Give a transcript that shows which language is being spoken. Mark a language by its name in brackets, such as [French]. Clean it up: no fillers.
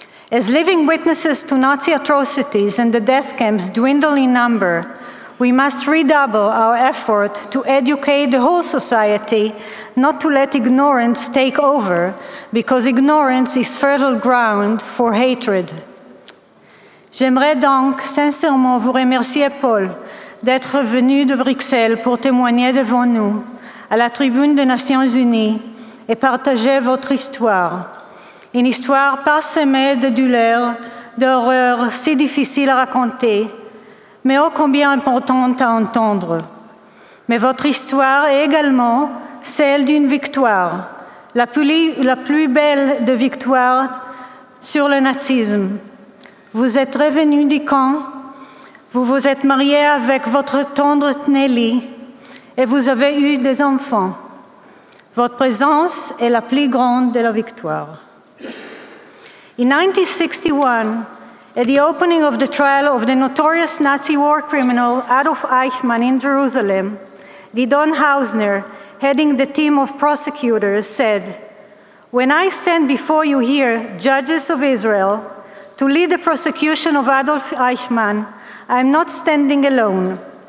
[English] As living witnesses to Nazi atrocities and the death camps dwindle in number, we must redouble our effort to educate the whole society not to let ignorance take over, because ignorance is fertile ground for hatred. [French] J'aimerais donc sincèrement vous remercier, Paul, d'être venu de Bruxelles pour témoigner devant nous à la tribune des Nations Unies et partager votre histoire. Une histoire parsemée de douleurs, d'horreurs si difficiles à raconter, mais ô combien importante à entendre. Mais votre histoire est également celle d'une victoire, la plus belle de victoires sur le nazisme. Vous êtes revenu du camp, vous vous êtes marié avec votre tendre Nelly et vous avez eu des enfants. Votre présence est la plus grande de la victoire. [English] In 1961, at the opening of the trial of the notorious Nazi war criminal Adolf Eichmann in Jerusalem, Gideon Hausner, heading the team of prosecutors, said, "When I stand before you here, judges of Israel, to lead the prosecution of Adolf Eichmann, I am not standing alone.